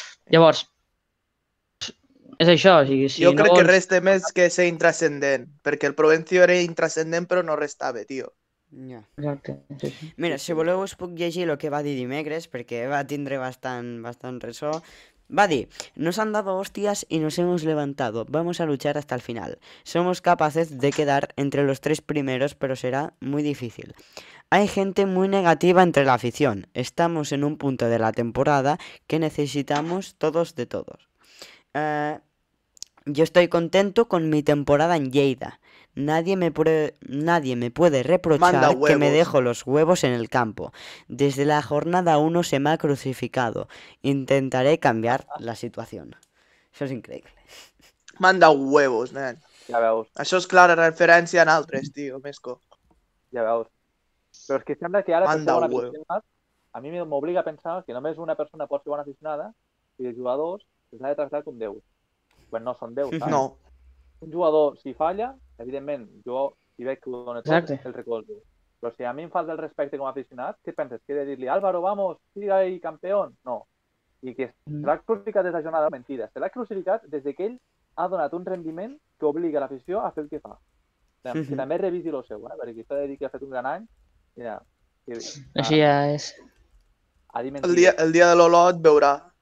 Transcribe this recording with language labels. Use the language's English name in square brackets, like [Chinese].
[Catalan] Llavors, és això, o sigui, si jo no crec vols... que resta més que ser intrascendent, perquè el Provencio era intrascendent però no restava, tio. Ja. Mira, si voleu us puc llegir el que va dir dimecres, perquè va tindre bastant ressò. Va dir, [Spanish] nos han dado hostias y nos hemos levantado, vamos a luchar hasta el final. Somos capaces de quedar entre los tres primeros, pero será muy difícil. Hay gente muy negativa entre la afición, estamos en un punto de la temporada que necesitamos todos de todos. Yo estoy contento con mi temporada en Lleida. Nadie me puede reprochar que me dejo los huevos en el campo. Desde la jornada 1 se me ha crucificado. Intentaré cambiar la situación. Eso es increíble. Manda huevos, nen. [Catalan] Ya veus. Això és clara referència en altres, tio, Mesco. Ja veus. Però és que sembla que ara... [Spanish] Manda [Catalan] a mi m'obliga a pensar que només una persona pot ser bona aficionada i els jugadors s'ha de tractar com Déu. Quan no són Déu, no. Un jugador, si falla, evidentment, jo hi veig que ho dona tot, el recordo. Però si a mi em falta el respecte com a aficionat, què penses? Que he de dir-li, Álvaro, [Spanish] vamos, siga ahí, campeón? [Catalan] No. I que se l'ha crucificat des de la jornada, mentida. Se l'ha crucificat des que ell ha donat un rendiment que obliga l'afició a fer el que fa. Que també revisi el seu, perquè s'ha de dir que ha fet un gran any. Mira, Així ja és. Ha dit mentides. El dia de l'Olot veurà.